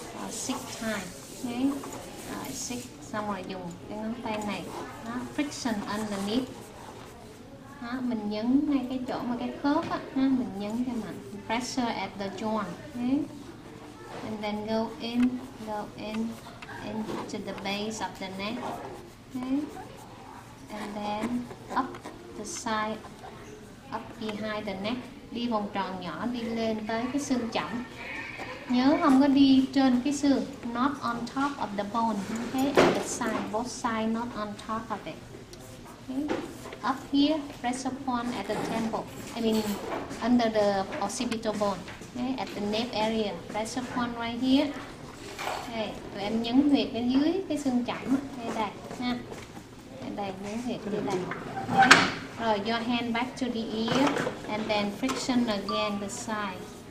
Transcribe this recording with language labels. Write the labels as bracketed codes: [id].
[vi] Six time, okay. Rồi six xong rồi dùng cái ngón tay này, đó, friction underneath, đó, mình nhấn ngay cái chỗ mà cái khớp á, mình nhấn cho mạnh, [en] pressure at the joint, [vi] okay. [en] And then go in into the base of the neck, okay. And then up the side, up behind the neck, [vi] đi vòng tròn nhỏ đi lên tới cái xương chẩm. Nhớ không có đi trên cái xương, [en] not on top of the bone, okay, at the side, both side, not on top of it. Okay. Up here, press upon at the temple, I mean, under the occipital bone, okay, at the nape area, press upon right here. [vi] Okay, tụi em nhấn huyệt bên dưới cái xương chẩm, okay, đây, ha. Đây, nhấn huyệt bên đây. Okay. [en] Rồi, your hand back to the ear, and then friction again the side.